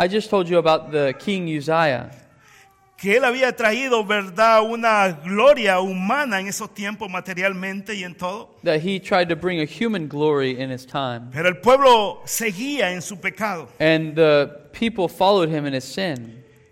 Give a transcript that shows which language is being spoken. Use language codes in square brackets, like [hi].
[en] I just told you about the king Uzziah. [es] Que él había traído, verdad, una gloria humana en esos tiempos materialmente y en todo. [en] That he tried to bring a human glory in his time. [es] Pero el pueblo seguía en su pecado. [en] And the people followed him in his sin.